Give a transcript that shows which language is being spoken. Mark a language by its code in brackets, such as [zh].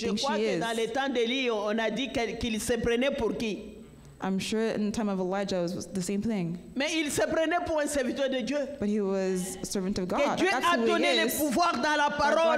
[fr] Je crois que dans les temps d'Élie, on a dit qu'il se prenait pour qui? [en] I'm sure in the time of Elijah it was the same thing. [fr] Mais il se prenait pour un serviteur de Dieu. [en] But he was a servant of God. [fr] Que Dieu a donné le pouvoir dans la parole.